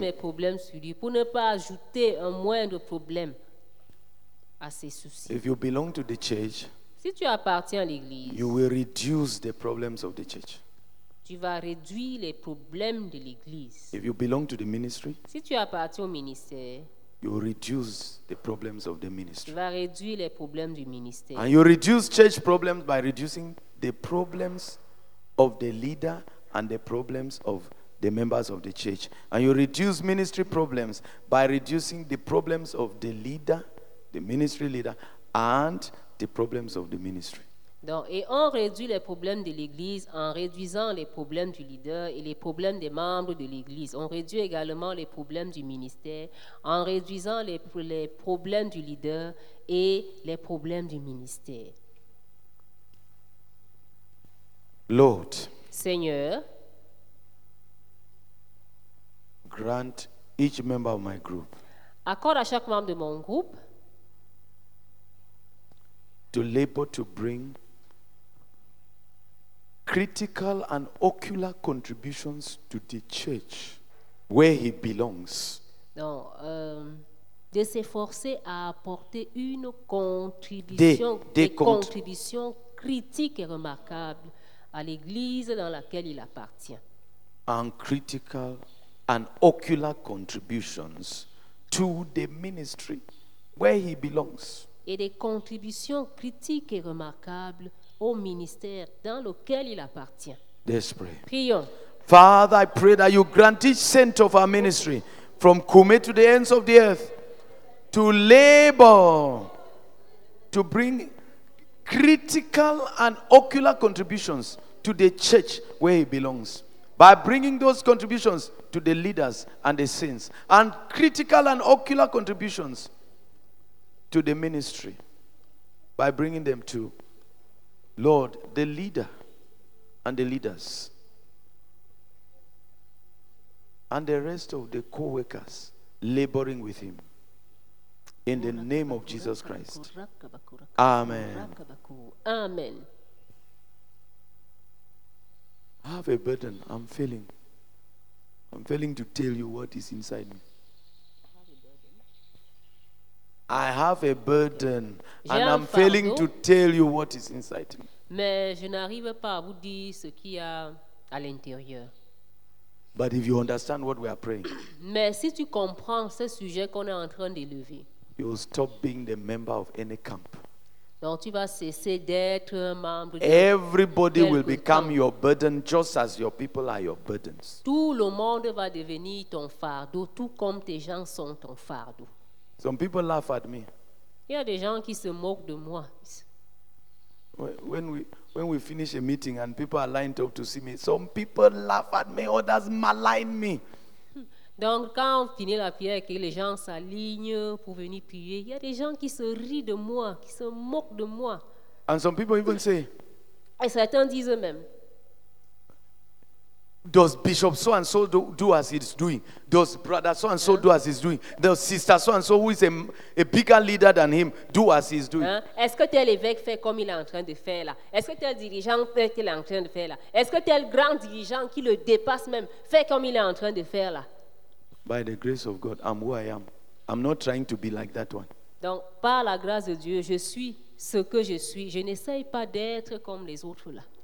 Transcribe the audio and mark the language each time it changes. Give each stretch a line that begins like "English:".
French: Mes problèmes sur lui, pour ne pas ajouter un moindre problème à ses soucis.
English: If you belong to the church.
French: Si tu appartiens à l'église.
English: You will reduce the problems of the church.
French: Tu vas réduire les problèmes de l'église.
English: If you belong to the ministry.
French: Si tu appartiens au ministère.
English: You will reduce the problems of the ministry.
French: Tu vas réduire les problèmes du ministère.
English: And you reduce church problems by reducing the problems of the leader and the problems of the members of the church. And you reduce ministry problems by reducing the problems of the leader, the ministry leader, and the problems of the ministry.
French: Donc, et on réduit les problèmes de l'église en réduisant les problèmes du leader et les problèmes des membres de l'église. On réduit également les problèmes du ministère en réduisant les problèmes du leader et les problèmes du ministère.
English: Lord,
French: Seigneur,
English: grant each member of my group.
French: Accorde à chaque membre de mon groupe
English: to labor to bring critical and ocular contributions to the church where he belongs.
French: Donc, de s'efforcer à apporter une contribution, des contributions critiques et remarquables à l'église dans laquelle il appartient.
English: And critical and ocular contributions to the ministry where he belongs.
French: Et des contributions critiques et remarquables au ministère dans lequel il appartient.
English: Let's pray.
French: Prions.
English: Father, I pray that you grant each saint of our ministry from Kume to the ends of the earth to labor to bring critical and ocular contributions to the church where he belongs by bringing those contributions to the leaders and the saints and critical and ocular contributions to the ministry by bringing them to Lord, the leader and the leaders and the rest of the co-workers laboring with him in the name of Jesus Christ. Amen. Amen. I have a burden. I'm failing to tell you what is inside me. I have a burden and I'm failing to tell you what is inside me.
French: Mais je n'arrive pas à vous dire ce qu'il y a à l'intérieur.
English: But if you understand what we are praying,
French: mais si tu comprends ce sujet qu'on est en train d'élever,
English: you will stop being the member of any camp.
French: Donc tu vas cesser d'être un membre.
English: Everybody will become your burden just as your people are your burdens.
French: Tout le monde va devenir ton fardeau, tout comme tes gens sont ton fardeau.
English: Some people laugh at me.
French: Il y a des gens qui se moquent de moi.
English: When we finish a meeting and people are lined up to see me, some people laugh at me, others malign me.
French: Donc quand on finit la prière et que les gens s'alignent pour venir prier, il y a des gens qui se rient de moi, qui se moquent de moi.
English: And some people even say,
French: et certains disent même,
English: does Bishop so and so do as he's doing? Does Brother so and so do as he's doing? Does Sister so and so, who is a bigger leader than him, do as he's doing?
French: Est-ce que tel évêque fait comme il est en train de faire là? Est-ce que tel dirigeant fait qu'il est en train de faire là? Est-ce que tel grand dirigeant qui le dépasse même fait comme il est en train de faire là?
English: By the grace of God, I'm who I am. I'm not trying to be like that one.
French: Donc, par la grâce de Dieu, je suis ce que je suis. Je n'essaye pas d'être comme les autres là.